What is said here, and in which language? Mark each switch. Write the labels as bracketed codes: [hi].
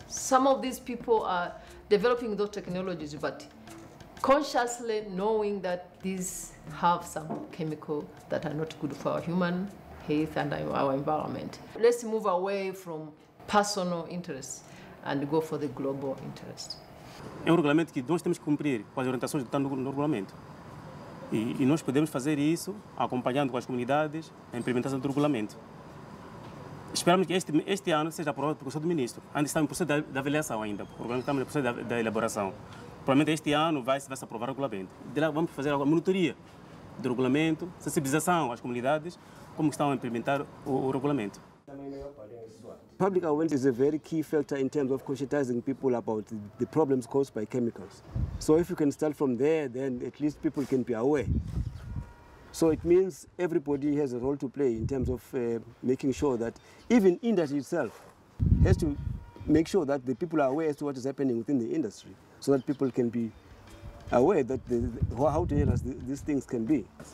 [en] Some of these people are developing those technologies, but consciously knowing that these have some chemical that are not good for our human health and our environment. Let's move away from personal interests and go for the global interest. [pt] É regulamento que nós temos que cumprir com as orientações do tanto regulamento. E nós podemos fazer isso acompanhando com as comunidades a implementação do regulamento. Esperamos que este ano seja aprovado pelo Conselho do Ministro. Ainda estamos em processo de avaliação ainda, o regulamento está em processo de elaboração. Provavelmente este ano vai se aprovar o regulamento. De lá vamos fazer a monitoria do regulamento, sensibilização às comunidades, como estão a implementar o regulamento. [en] Public awareness is a very key factor in terms of conscientizing people about the problems caused by chemicals. So if you can start from there, then at least people can be aware. So it means everybody has a role to play in terms of making sure that even industry itself has to make sure that the people are aware as to what is happening within the industry, so that people can be aware that how dangerous these things can be.